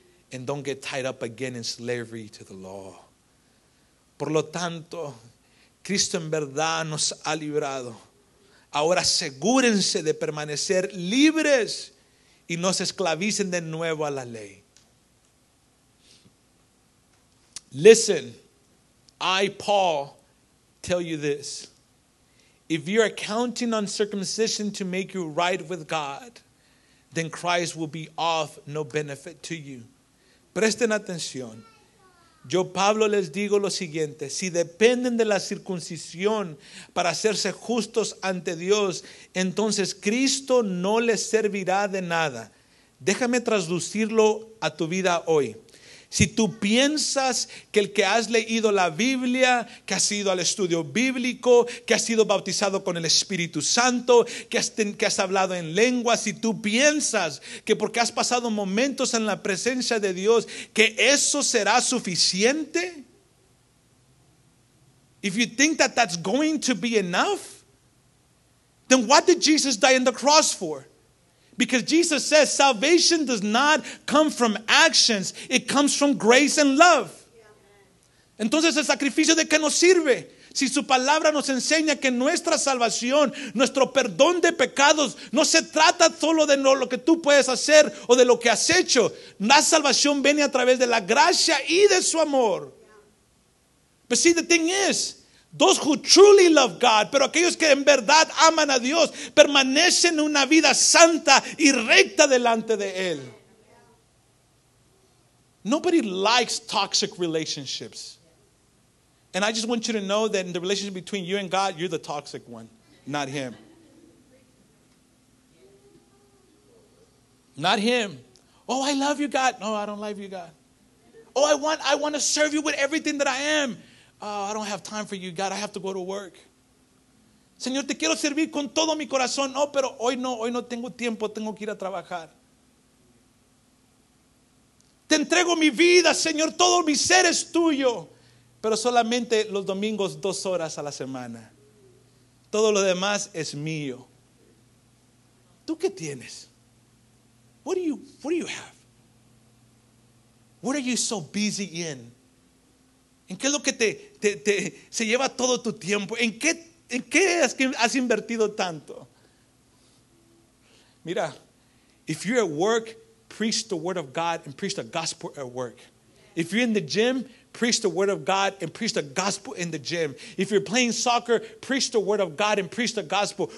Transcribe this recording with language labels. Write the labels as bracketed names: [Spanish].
[English] And don't get tied up again in slavery to the law. [Spanish] Por lo tanto, Cristo en verdad nos ha librado. Ahora asegúrense de permanecer libres y no se esclavicen de nuevo a la ley. [English] Listen, I, Paul, tell you this. If you are counting on circumcision to make you right with God, then Christ will be of no benefit to you. [Spanish] Presten atención. Yo, Pablo, les digo lo siguiente. Si dependen de la circuncisión para hacerse justos ante Dios, entonces Cristo no les servirá de nada. Déjame traducirlo a tu vida hoy. Si tú piensas que el que has leído la Biblia, que has ido al estudio bíblico, que has sido bautizado con el Espíritu Santo, que has hablado en lenguas, si tú piensas que porque has pasado momentos en la presencia de Dios, que eso será suficiente. [English] If you think that that's going to be enough, then what did Jesus die on the cross for? Because Jesus says salvation does not come from actions. It comes from grace and love. [Spanish] Entonces, ¿el sacrificio de qué nos sirve? Si su palabra nos enseña que nuestra salvación, nuestro perdón de pecados, no se trata solo de lo que tú puedes hacer o de lo que has hecho. La salvación viene a través de la gracia y de su amor. [English] But see, the thing is, those who truly love God, [Spanish] pero aquellos que en verdad aman a Dios, permanecen en una vida santa y recta delante de Él. [English] Nobody likes toxic relationships. And I just want you to know that in the relationship between you and God, you're the toxic one, not Him. Not Him. Oh, I love you, God. No, I don't love you, God. Oh, I want to serve you with everything that I am. Oh, I don't have time for you, God. I have to go to work. [Spanish] Señor, te quiero servir con todo mi corazón. No, pero hoy no tengo tiempo. Tengo que ir a trabajar. Te entrego mi vida, Señor. Todo mi ser es tuyo. Pero solamente los domingos 2 horas a la semana. Todo lo demás es mío. ¿Tú qué tienes? What do you have? What are you so busy in? ¿En qué es lo que te se lleva todo tu tiempo? ¿En qué es que has invertido tanto? Mira, [English] if you're at work, preach the word of God and preach the gospel at work. If you're in the gym, preach the word of God and preach the gospel in the gym. If you're playing soccer, preach the word of God and preach the gospel.